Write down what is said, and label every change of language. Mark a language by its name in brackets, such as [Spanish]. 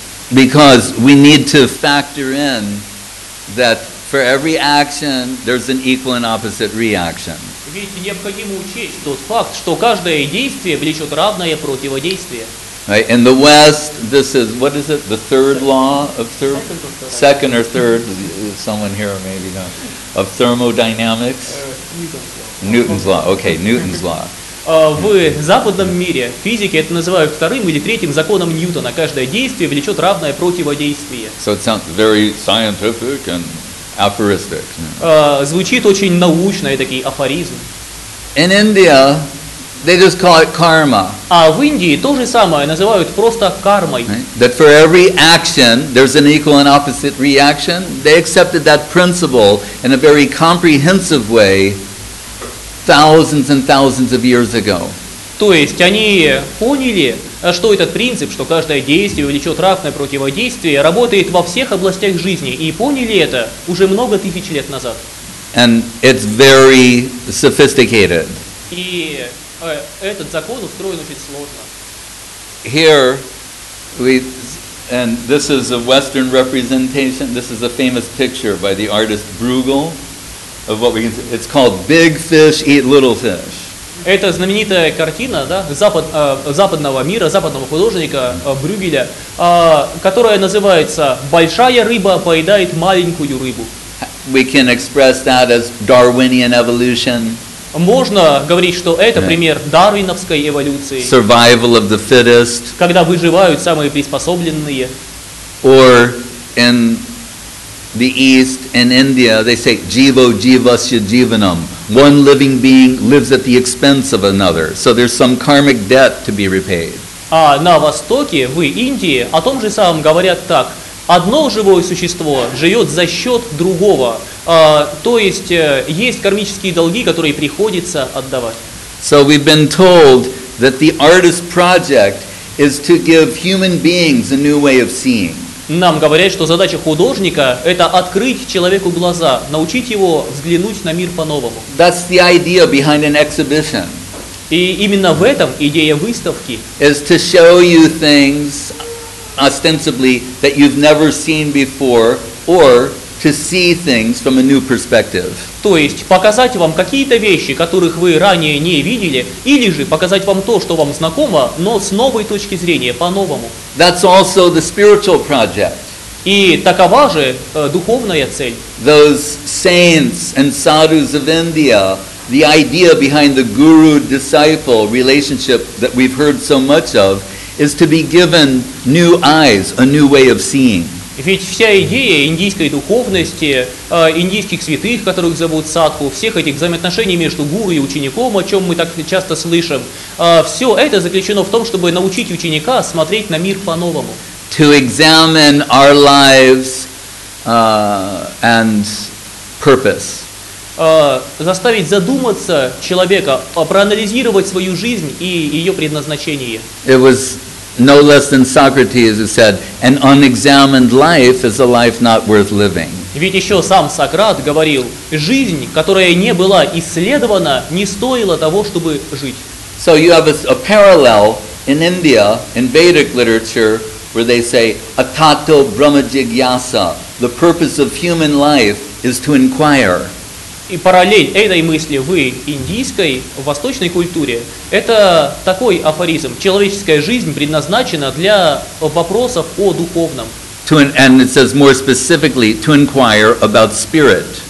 [English] Because we need to factor in that for every action, there's an equal and opposite reaction. [Russian] Ведь необходимо учесть тот факт, что каждое действие влечет равное противодействие. [English] Right. In the West, this is, what is it, the third law of third? Second or third? Someone here maybe not. Of thermodynamics? Newton's law. Newton's law. [Russian] В западном мире физики это называют вторым или третьим законом Ньютона. Каждое действие влечет равное противодействие. [English] So it sounds very scientific and aphoristic. [Russian] Звучит очень научно, и такой афоризм. [English] In India, they just call it karma. [Russian] А в Индии то же самое называют просто кармой. [English] Right? That for every action, there's an equal and opposite reaction. They accepted that principle in a very comprehensive way thousands and thousands of years ago. [Russian] То есть они поняли, что этот принцип, что каждое действие влечет равное противодействие, работает во всех областях жизни, и поняли это уже много тысяч лет назад. [English] And it's very sophisticated. [Russian] И этот закон устроен очень сложно. [English] Here we And this is a Western representation. This is a famous picture by the artist Bruegel of what we can see. It's called Big Fish Eat Little Fish. [Russian] Это знаменитая картина, да, западного мира, западного художника Брюгеля, которая называется «Большая рыба поедает маленькую рыбу». [English] We can express that as Darwinian evolution. [Russian] Можно говорить, что это пример дарвиновской эволюции. [English] Survival of the fittest. [Russian] Когда выживают самые приспособленные. [English] Or in the East, in India, they say [Sanskrit] jivo jivasya jivanam. [English] One living being lives at the expense of another. So there's some karmic debt to be repaid. [Russian] А на Востоке, в Индии, о том же самом говорят так. Одно живое существо живет за счет другого. То есть есть кармические долги, которые приходится отдавать. [English] So we've been told that the artist project is to give human beings a new way of seeing. [Russian] Нам говорят, что задача художника – это открыть человеку глаза, научить его взглянуть на мир по-новому. [English] That's the idea behind an exhibition. [Russian] И именно в этом идея выставки. [English] Is to show you things, ostensibly, that you've never seen before, or to see things from a new perspective. [Russian] То есть показать вам какие-то вещи, которых вы ранее не видели, или же показать вам то, что вам знакомо, но с новой точки зрения, по-новому. [English] That's also the spiritual project. [Russian] И такова же духовная цель. [English] Those saints and sadhus of India, the idea behind the guru-disciple relationship that we've heard so much of, is to be given new eyes, a new way of seeing. [Russian] Ведь вся идея индийской духовности, индийских святых, которых зовут садху, всех этих взаимоотношений между гуру и учеником, о чем мы так часто слышим, все это заключено в том, чтобы научить ученика смотреть на мир по-новому. [English] To examine our lives and purpose. [Russian] Заставить задуматься человека, проанализировать свою жизнь и ее предназначение. [English] It was no less than Socrates, who said, "An unexamined life is a life not worth living." [Russian] Ведь еще сам Сократ говорил, жизнь, которая не была исследована, не стоила того, чтобы жить. [English] So you have a parallel in India, in Vedic literature, where they say, [Sanskrit] "Atato Brahma Jigyasa." [English] The purpose of human life is to inquire. [Russian] И параллель этой мысли в индийской, в восточной культуре, это такой афоризм. Человеческая жизнь предназначена для вопросов о духовном. [English] And it says more specifically, to inquire about spirit.